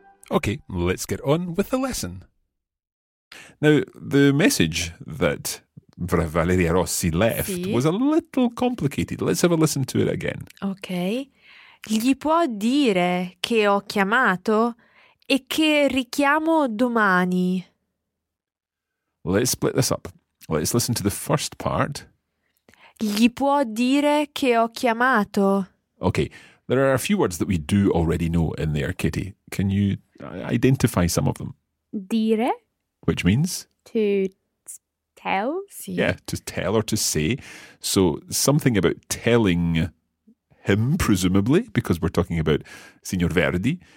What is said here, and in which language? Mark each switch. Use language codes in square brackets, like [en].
[en] Okay, let's get on with the lesson. Now, the message that Valeria Rossi left sì. was a little complicated. Let's have a listen to it again. Okay. [it] Gli può dire che ho chiamato e che richiamo domani. [en] Let's split this up. Let's listen to the first part. [it] Gli può dire che ho chiamato. [en] Okay. There are a few words that we do already know in there, Katie. Can you identify some of them? [it] Dire. [en] Which means? To tell. Sì. Yeah, to tell or to say. So something about telling him, presumably, because we're talking about Signor Verdi.